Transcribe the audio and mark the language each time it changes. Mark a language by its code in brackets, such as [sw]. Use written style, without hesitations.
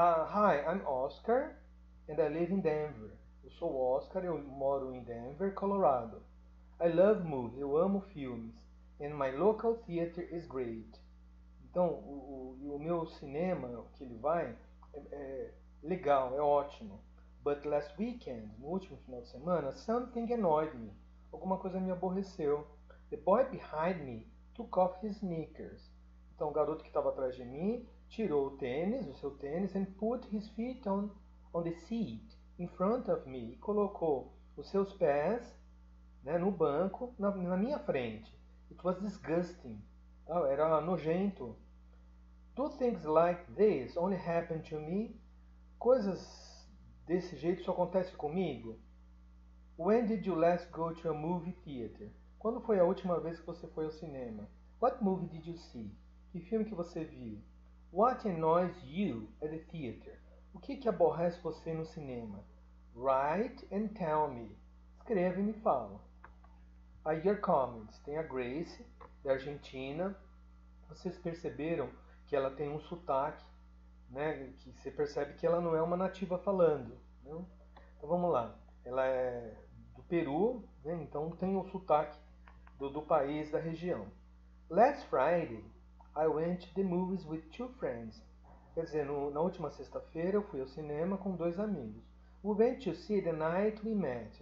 [en] Hi, I'm Oscar and I live in Denver. [pt] Eu sou o Oscar e eu moro em Denver, Colorado. [en] I love movies. [pt] Eu amo filmes. [en] And my local theater is great. [pt] Então, o meu cinema que ele vai é legal, é ótimo. [en] But last weekend, [pt] no último final de semana, [en] something annoyed me. [pt] Alguma coisa me aborreceu. [en] The boy behind me took off his sneakers. [pt] Então, o garoto que estava atrás de mim tirou o seu tênis, [en] and put his feet on the seat in front of me. [pt] E colocou os seus pés, né, no banco, na minha frente. [en] It was disgusting. [pt] Era nojento. [en] Two things like this only happen to me. [pt] Coisas desse jeito só acontece comigo. [en] When did you last go to a movie theater? [pt] Quando foi a última vez que você foi ao cinema? [en] What movie did you see? [pt] Que filme que você viu? [en] What annoys you at the theater? [pt] O que aborrece você no cinema? [en] Write and tell me. [pt] Escreve e me fala. [en] I hear comments. [pt] Tem a Grace, da Argentina. Vocês perceberam que ela tem um sotaque, né, que você percebe que ela não é uma nativa falando, né? Então vamos lá, ela é do Peru, né? Então tem o sotaque do país, da região. [en] Last Friday, I went to the movies with two friends. [pt] Quer dizer, na última sexta-feira eu fui ao cinema com dois amigos. [en] We went to see The Night We Met.